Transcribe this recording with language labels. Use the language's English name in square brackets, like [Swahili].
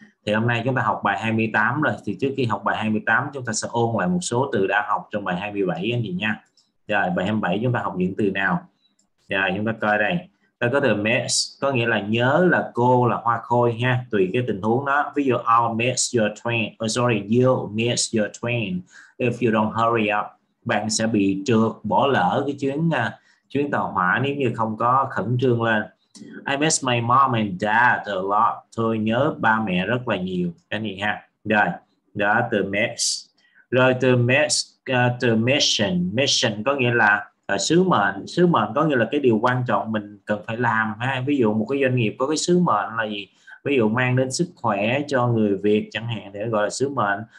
[Vietnamese] Thì hôm nay chúng ta học bài 28 rồi. Thì trước khi học bài 28 chúng ta sẽ ôn lại một số từ đã học trong bài 27 anh chị nha. Rồi bài 27 chúng ta học những từ nào? Rồi chúng ta coi đây. Ta có từ miss, có nghĩa là nhớ, là cô, là hoa khôi ha. Tùy cái tình huống đó. Ví dụ [English] I'll miss your train. Sorry, you'll miss your train if you don't hurry up. [Vietnamese] Bạn sẽ bị trượt, bỏ lỡ cái chuyến tàu hỏa nếu như không có khẩn trương lên. [English] I miss my mom and dad a lot. [Vietnamese] Tôi nhớ ba mẹ rất là nhiều. Cái gì ha? Rồi, đó từ miss. Rồi từ miss, từ mission. Mission có nghĩa là sứ mệnh. Sứ mệnh có nghĩa là cái điều quan trọng mình cần phải làm ha. Ví dụ một cái doanh nghiệp có cái sứ mệnh là gì? Ví dụ mang đến sức khỏe cho người Việt chẳng hạn, để gọi là sứ mệnh.